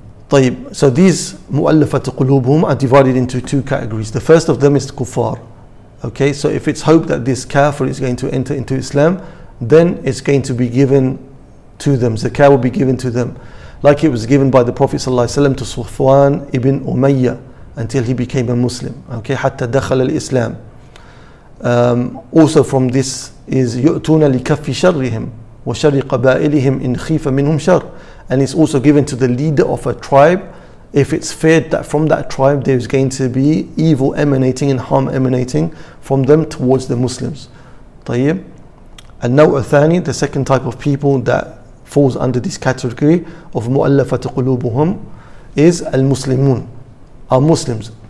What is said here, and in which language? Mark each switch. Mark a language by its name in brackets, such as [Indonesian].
[English] طيب, so these مُؤلفة قلوبهم are divided into two categories. The first of them is kuffar, Okay, so if it's hope that this kafir is going to enter into Islam, then it's going to be given to them. Zakat will be given to them. Like it was given by the Prophet ﷺ to Sufwan ibn Umayyah until he became a Muslim. [Arabic] Okay, حَتَّى دَخَلَ الْإِسْلَامِ. [English] Also from this is [Arabic] يُؤْتُونَ لِكَفِّ شَرِّهِمْ وَشَرِّ قَبَائِلِهِمْ إِنْ خِيفَ مِنْهُمْ شَرْ. [English] And it's also given to the leader of a tribe if it's feared that from that tribe there is going to be evil emanating and harm emanating from them towards the Muslims. طيب. And now الثاني, the second type of people that falls under this category of مُؤَلَّفَةِ قُلُوبُهُمْ is المسلمون, are Muslims.